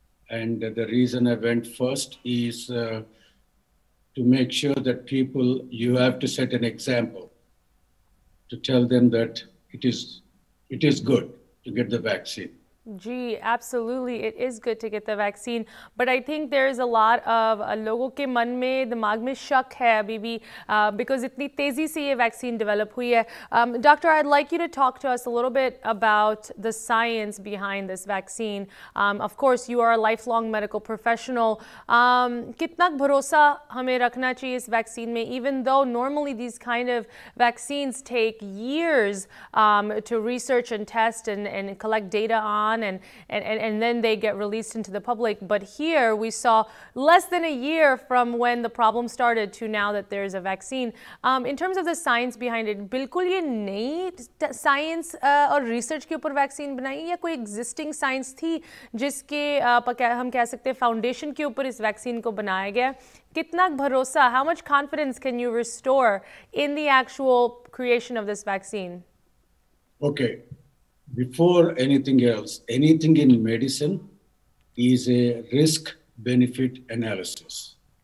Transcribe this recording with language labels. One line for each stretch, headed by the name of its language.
English: And the reason I went first is to make sure that people, you have to set an example to tell them that it is good to get the vaccine. Gee, absolutely, it is good to get the vaccine. But I think there is a lot of
Hindi: लोगों के मन में, दिमाग में शक है अभी भी, because इतनी तेज़ी से ये vaccine develop हुई है।
English: Doctor, I'd like you to talk to us a little bit about the science behind this vaccine. Of course, you are a lifelong medical professional.
Hindi: Kitna bharosa hame rakhna chahiye is vaccine mein,
English: even though normally these kind of vaccines take years to research and test and collect data on, and then they get released into the public. But here we saw less than a year from when the problem started to now that there is a vaccine. In terms of the science behind it,
Hindi: बिल्कुल ये नई science और research के ऊपर vaccine बनाई या कोई existing science थी जिसके हम कह सकते foundation के ऊपर इस vaccine को बनाया गया। Kitna bharosa,
English: how much confidence can you restore in the actual creation of this vaccine? Okay. Before anything else, anything in medicine is a risk-benefit analysis.